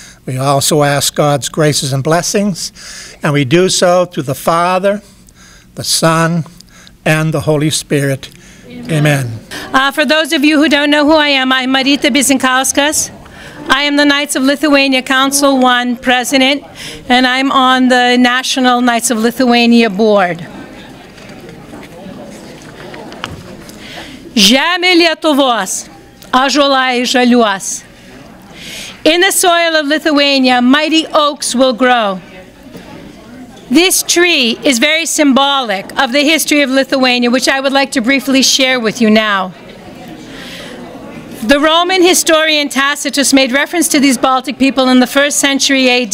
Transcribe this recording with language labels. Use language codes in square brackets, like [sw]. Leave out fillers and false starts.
[en] We also ask God's graces and blessings, and we do so through the Father, the Son, and the Holy Spirit. Amen. For those of you who don't know who I am, I'm Marita Bizinkauskas. I am the Knights of Lithuania Council 1 President, and I'm on the National Knights of Lithuania Board. [lt] Žemė Lietuvos, ąžuolai žaliuos. [en] In the soil of Lithuania, mighty oaks will grow. This tree is very symbolic of the history of Lithuania, which I would like to briefly share with you now. The Roman historian Tacitus made reference to these Baltic people in the first century AD.